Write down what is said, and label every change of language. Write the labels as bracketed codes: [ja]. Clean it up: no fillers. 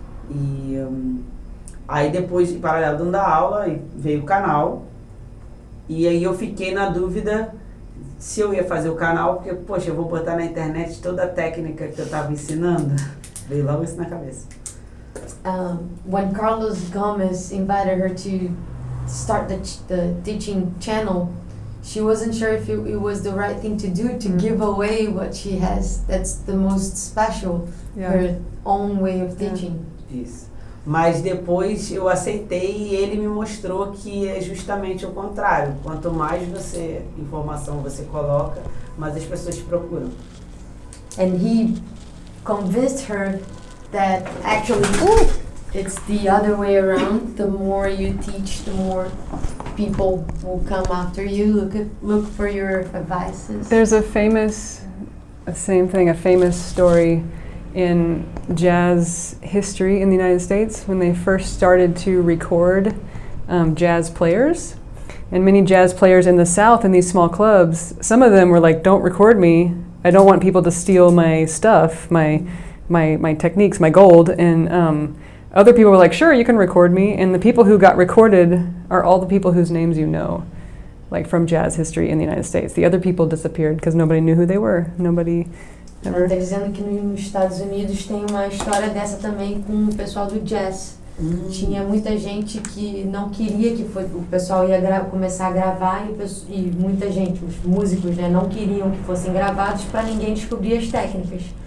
[pt] E aí depois, em paralelo dando a aula, veio o canal. E aí eu fiquei na dúvida se eu ia fazer o canal, porque, poxa, eu vou botar na internet toda a técnica que eu tava ensinando. Veio logo isso na cabeça. [en] When Carlos Gomez invited her to start the teaching channel, she wasn't sure if it was the right thing to do to give away what she has. That's the most special, yeah. Her own way of teaching. Yeah. [pt] Isso. Mas depois eu aceitei e ele me mostrou que é justamente o contrário. Quanto mais você informação você coloca, mais as pessoas te procuram. [en] And he convinced her that actually it's the other way around. The more you teach, the more people will come after you, look for your advices. There's a famous, same thing, a famous story in jazz history in the United States when they first started to record jazz players. And many jazz players in the South in these small clubs, some of them were like, don't record me. I don't want people to steal my stuff, my techniques, my gold. And other people were like, sure, you can record me. And the people who got recorded are all the people whose names you know, like from jazz history in the United States. The other people disappeared because nobody knew who they were. Nobody ever. [pt] Tá dizendo que nos Estados Unidos tem uma história dessa também com o pessoal do jazz. Tinha muita gente que não queria que o pessoal ia começar a gravar e muita gente, os músicos, né, não queriam que fossem gravados para ninguém descobrir as técnicas.